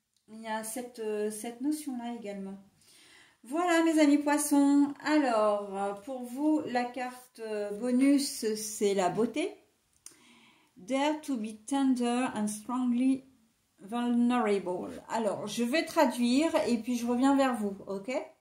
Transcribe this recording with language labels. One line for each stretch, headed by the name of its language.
French: Il y a cette notion-là également. Voilà, mes amis poissons. Alors, pour vous, la carte bonus, c'est la beauté.
English: Dare to be tender and strongly vulnerable.
French: Alors, je vais traduire et puis je reviens vers vous, ok?